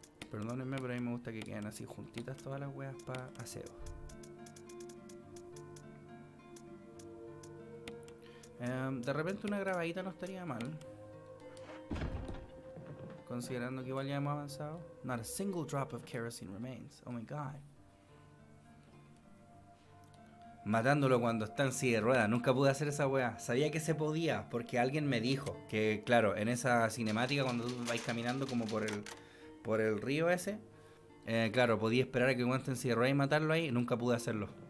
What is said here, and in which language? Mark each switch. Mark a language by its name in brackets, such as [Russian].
[Spanish] Perdónenme, pero a mí me gusta que queden así juntitas todas las weas para aseo. De repente una grabadita no estaría mal, considerando que igual ya hemos avanzado. [English] Not a single drop of kerosene remains. Oh my god. [Spanish] Matándolo cuando está en silla de ruedas. Nunca pude hacer esa wea. Sabía que se podía porque alguien me dijo que, claro, en esa cinemática cuando vais caminando como por el río ese, claro, podía esperar a que aguante en silla de ruedas y matarlo ahí. Nunca pude hacerlo.